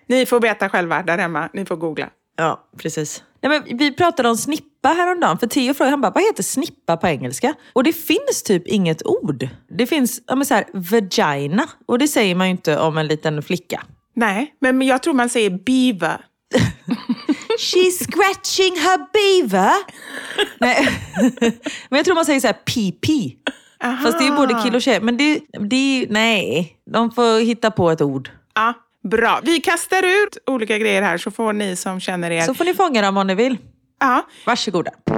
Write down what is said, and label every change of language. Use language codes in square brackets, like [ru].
[sv] Ni får veta själva där hemma. Ni får googla. Ja, precis. Nej, men vi pratade om snippa häromdagen, för Theo frågade, han bara, vad heter snippa på engelska? Och det finns typ inget ord. Det finns, ja, men så här, vagina, och det säger man ju inte om en liten flicka. Nej, men jag tror man säger beaver. [en] She's scratching her beaver. [sv] Nej, men jag tror man säger så här, pee-pee. Aha. Fast det är både kill och tjej, men det är, nej, de får hitta på ett ord. Ja. Bra. Vi kastar ut olika grejer här så får ni som känner er... Så får ni fånga dem om ni vill. Ja. Varsågoda.